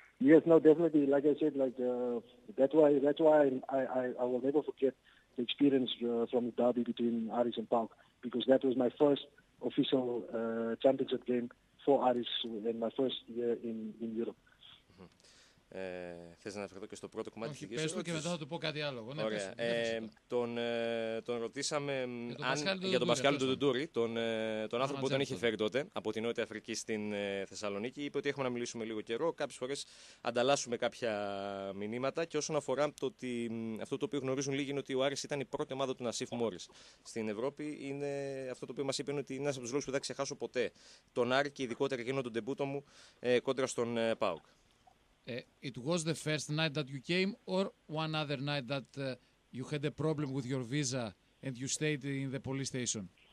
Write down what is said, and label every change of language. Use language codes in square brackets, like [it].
[en] Yes, no, definitely. Like I said, like that's why I will never forget the experience from the derby between Aris and PAOK, because that was my first official championship game four artists and my first year in Europe. [el] Θες να αναφερθώ και στο πρώτο κομμάτι? Όχι, πες το και ρωτήσεις... μετά θα του πω κάτι άλλο. Ωραία. Ναι, πες, τον ρωτήσαμε για τον Πασκάλ Ντουντούρι, τον άνθρωπο που τον είχε φέρει τότε από την Νότια Αφρική στην Θεσσαλονίκη. Είπε ότι έχουμε να μιλήσουμε λίγο καιρό. Κάποιες φορές ανταλλάσσουμε κάποια μηνύματα. Και όσον αφορά το ότι αυτό το οποίο γνωρίζουν λίγοι είναι ότι ο Άρης ήταν η πρώτη ομάδα του Νασίφ Μόρις στην Ευρώπη, είναι αυτό το οποίο μας είπε ότι είναι ένας από τους λόγους που δεν θα ξεχάσω ποτέ τον Άρη και ειδικότερα εκείνο τον ντεμπούτο μου κόντρα στον ΠΑΟΚ. [en] It was the first night that you came, or one other night that you had a problem with your visa and you stayed in the police station?